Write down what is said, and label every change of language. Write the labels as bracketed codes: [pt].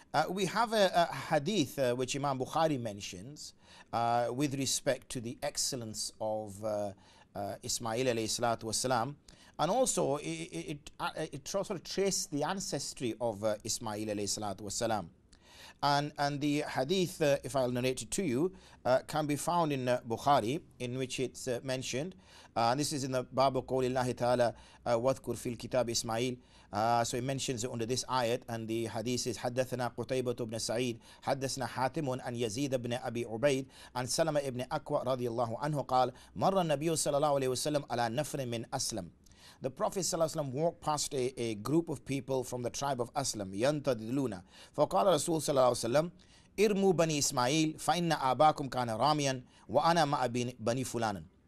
[en] We have a hadith which Imam Bukhari mentions with respect to the excellence of Ismail alayhi salatu wasalam, and also it sort of traced the ancestry of Ismail alayhi salatu wasalam, and the hadith, if I'll narrate it to you, can be found in Bukhari, in which it's mentioned, and this is in the [ar] Babu Qawlillahi Ta'ala Wadhkur fil Kitab Ismail. [en] So he mentions it under this ayat, and the hadith is [ar] حدثنا قتيبة بن سعيد حدثنا حاتم أن يزيد بن أبي عبيد عن سلمة بن أكوى رضي الله عنه قال مر النبي صلى الله عليه وسلم على نفر من أسلم. [en] The Prophet [ar] صلى الله عليه وسلم [en] walked past a group of people from the tribe of Aslam, [ar] ينتظرون. فقال رسول صلى الله عليه وسلم إرموا بني إسماعيل فإن آباكم كان راميا وأنا مع بني فلان.